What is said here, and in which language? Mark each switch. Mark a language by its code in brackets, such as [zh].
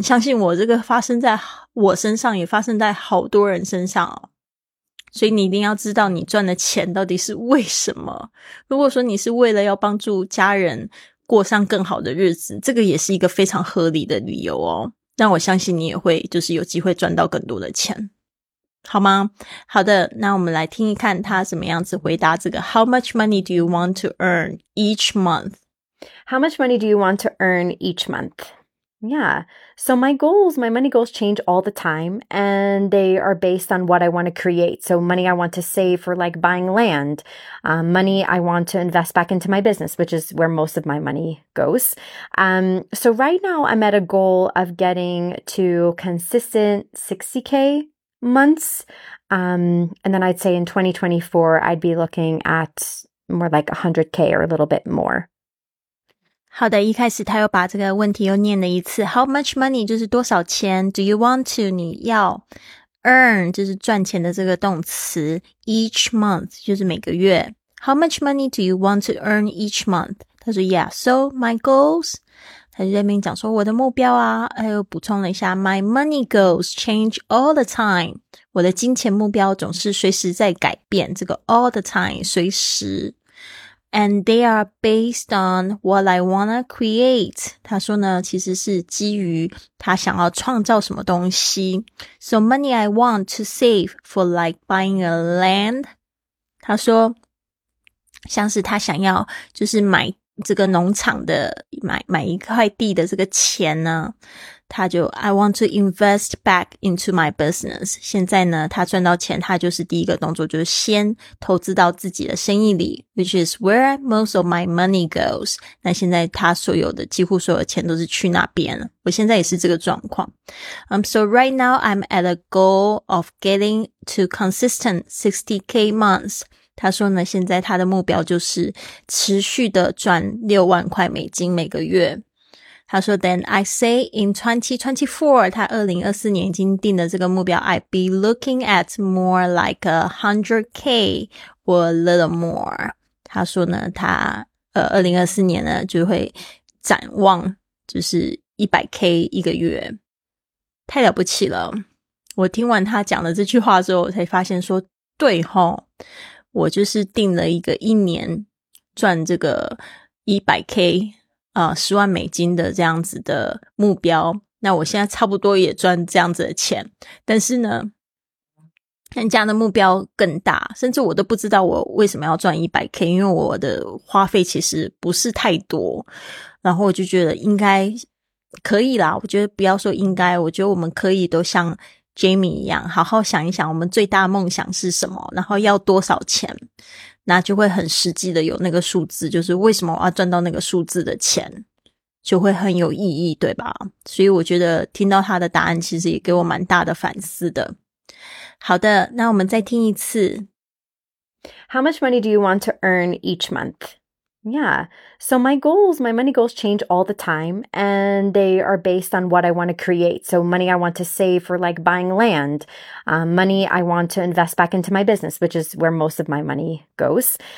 [zh] 相信我，这个发生在我身上，也发生在好多人身上哦。所以你一定要知道你赚的钱到底是为什么。如果说你是为了要帮助家人过上更好的日子，这个也是一个非常合理的理由哦。那我相信你也会就是有机会赚到更多的钱，好吗？好的，那我们来听一看他怎么样子回答这个 [en] How much money do you want to earn each month? How much money do you want to earn each month? Yeah, so my money goals change all the time, and they are based on what I want to create. So money I want to save for like buying land, money I want to invest back into my business, which is where most of my money goes. So right now I'm at a goal of getting to consistent 60K months. And then I'd say in 2024, I'd be looking at more like 100K or a little bit more. [zh] 好的，一开始他又把这个问题又念了一次。 [en] How much money [zh] 就是多少钱 ？ [en] Do you want to [zh] 你要 earn 就是赚钱的这个动词 ， [en] each month [zh] 就是每个月。 [en] How much money do you want to earn each month？ 他说 ，Yeah， so my goals， [zh] 他就在那边讲说我的目标啊，他又补充了一下 [en] ，My money goals change all the time。 [zh] 我的金钱目标总是随时在改变，这个 [en] all the time [zh] 随时。 [en] And they are based on what I wanna create. [zh] 他说呢，其实是基于他想要创造什么东西。 [en] So money I want to save for like buying a land. [zh] 他说，像是他想要就是买这个农场的，买一块地的这个钱呢，他就 [en] I want to invest back into my business. [zh] 现在呢他赚到钱，他就是第一个动作就是先投资到自己的生意里， [en] which is where most of my money goes. [zh] 那现在他所有的几乎所有的钱都是去那边了，我现在也是这个状况。 [en] So right now I'm at a goal of getting to consistent 60K months. [zh] 他说呢，现在他的目标就是持续的赚60000块美金每个月。 [en] 他说 then I say in 2024, [zh] 他2024年已经定的这个目标， [en] I'd be looking at more like 100K or a little more. [zh] 他说呢，他2024年呢就会展望就是 100K 一个月。太了不起了。我听完他讲的这句话之后，我才发现说对齁，我就是定了一个一年赚这个 100K。 10万美金的这样子的目标，那我现在差不多也赚这样子的钱，但是呢人家的目标更大，甚至我都不知道我为什么要赚 100K， 因为我的花费其实不是太多，然后我就觉得应该可以啦，我觉得不要说应该，我觉得我们可以都像 Jamie 一样好好想一想我们最大梦想是什么，然后要多少钱，那就会很实际的有那个数字，就是为什么我要赚到那个数字的钱，就会很有意义，对吧？所以我觉得听到他的答案其实也给我蛮大的反思的。好的，那我们再听一次。 [en] How much money do you want to earn each month? Yeah. So my goals, my money goals change all the time and they are based on what I want to create. So money I want to save for like buying land, money I want to invest back into my business, which is where most of my money goes.